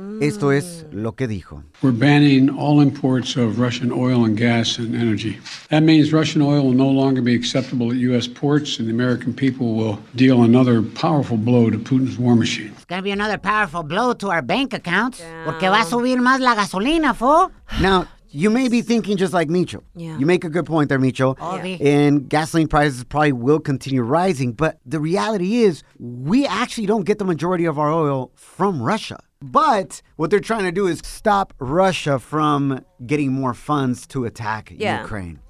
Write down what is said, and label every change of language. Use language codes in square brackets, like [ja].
[es] Esto es lo que dijo. [en] We're banning all imports of Russian oil and gas and energy. That means Russian oil will no longer be acceptable at U.S. ports, and the American people will deal another powerful blow to Putin's war machine. It's going to be another powerful blow to our bank accounts. Yeah. [es] Porque va a subir más la gasolina, fool. [en] Now, you may be thinking just like Micho. Yeah. You make a good point there, Micho. And gasoline prices probably will continue rising. But the reality is, we actually don't get the majority of our oil from Russia. But what they're trying to do is stop Russia from getting more funds to attack Ukraine.